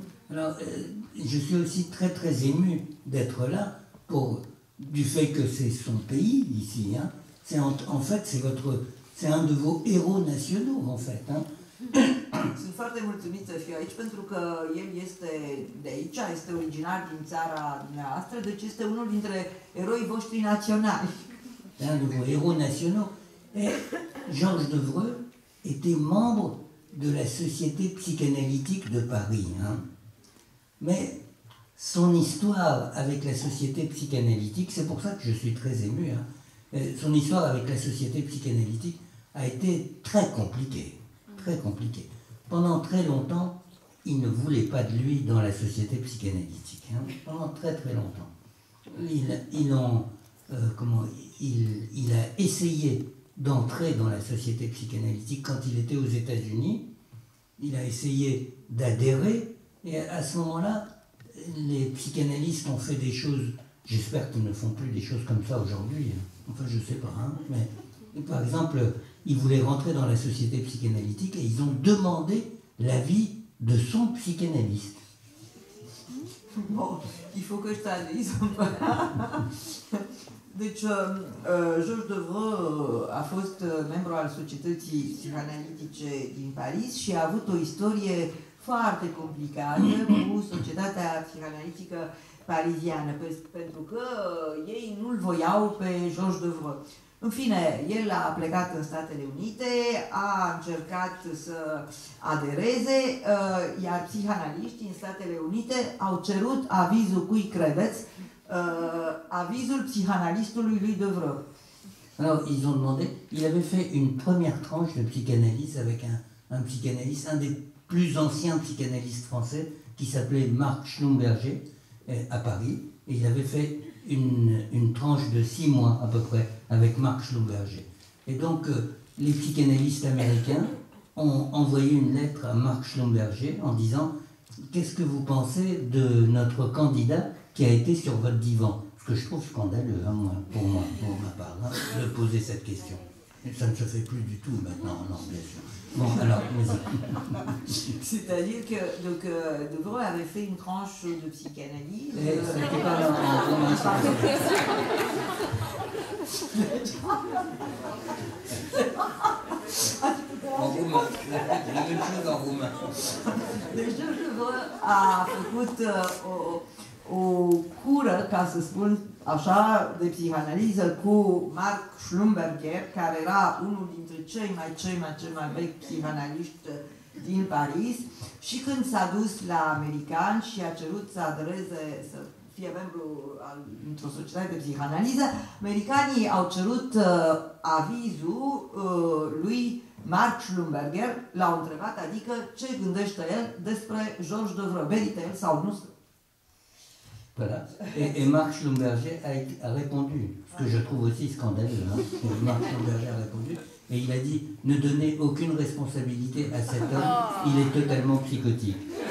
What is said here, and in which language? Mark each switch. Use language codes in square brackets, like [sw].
[fr] Alors, je suis aussi très très ému d'être là pour du fait que c'est son pays ici. Hein. C'est en fait c'est un de vos héros nationaux en fait. Hein. [ro] Sunt foarte mulțumit să fiu aici pentru că el este de aici, este originar din țara noastră, deci este unul dintre eroii voștri naționali. [fr] Un de vos héros nationaux. Et Georges Devreux était membre de la Société psychanalytique de Paris. Hein. Mais son histoire avec la Société psychanalytique, c'est pour ça que je suis très ému, hein. Son histoire avec la Société psychanalytique a été très compliquée, très compliquée. Pendant très longtemps, il ne voulait pas de lui dans la Société psychanalytique, hein. Pendant très très longtemps. Il a essayé d'entrer dans la Société psychanalytique quand il était aux États-Unis, il a essayé d'adhérer. Et à ce moment-là, les psychanalystes ont fait des choses, j'espère qu'ils ne font plus des choses comme ça aujourd'hui, enfin je ne sais pas, hein, mais par exemple, ils voulaient rentrer dans la Société psychanalytique et ils ont demandé l'avis de son psychanalyste. Bon, il faut que je t'analyse. [ro] Deci, Georges Devreux a fost membru al Societății Psychanalytice din Paris și a avut o istorie foarte complicată cu societatea psihanalitică pariziană, pentru că ei nu-l voiau pe Georges Devreux. În fine, el a plecat în Statele Unite, a încercat să adereze, iar psihanaliștii în Statele Unite au cerut avizul, cui credeți, avizul psihanalistului lui Devreux. [fr] Alors, ils ont demandé, il avait fait une première tranche de psychanalyse avec un un psychanalyste, un des plus anciens psychanalystes français, qui s'appelait Marc Schlumberger, à Paris. Et il avait fait une tranche de 6 mois, à peu près, avec Marc Schlumberger. Et donc, les psychanalystes américains ont envoyé une lettre à Marc Schlumberger en disant « Qu'est-ce que vous pensez de notre candidat qui a été sur votre divan ?» Ce que je trouve scandaleux, hein, moi, pour ma part, hein, de poser cette question. Ça ne se fait plus du tout maintenant en anglais. Bon, alors, c'est-à-dire que donc, De Vreux avait fait une tranche de psychanalyse. Ça n'était pas dans la tranche. En roumain, la même chose en roumain. Déjà, De Vreux a fait au cours, [ro] quand se spune așa, de psihanaliză cu Marc Schlumberger, care era unul dintre cei mai vechi psihanaliști din Paris, și când s-a dus la american și a cerut să adereze, să fie membru într-o societate de psihanaliză, americanii au cerut avizul lui Marc Schlumberger, l-au întrebat, adică ce gândește el despre Georges de Vreux, merită el sau nu. [fr] Voilà. Et Marc Schlumberger a répondu, ce que je trouve aussi scandaleux, hein, Marc Schlumberger a répondu, et il a dit, ne donnez aucune responsabilité à cet homme, il est totalement psychotique.